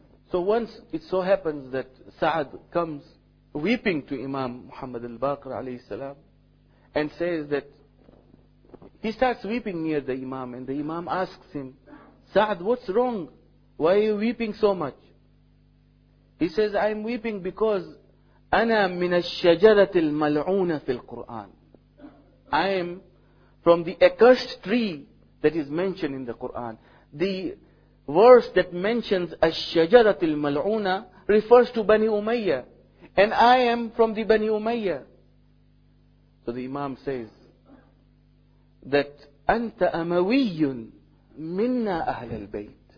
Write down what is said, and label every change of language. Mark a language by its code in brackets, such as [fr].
[en] So once it so happens that Sa'd comes weeping to Imam Muhammad al-Baqir alayhi salam and says that he starts weeping near the Imam, and the Imam asks him, Sa'd, what's wrong? Why are you weeping so much? He says, I'm weeping because [ar] أنا من الشجرة الملعونة في القرآن. [en] I am from the accursed tree that is mentioned in the Quran. The verse that mentions [ar] الشجرة الملعونة [en] refers to Bani Umayyah. And I am from the Bani Umayyah. So the Imam says that [ar] أنت أموي منا أهل البيت.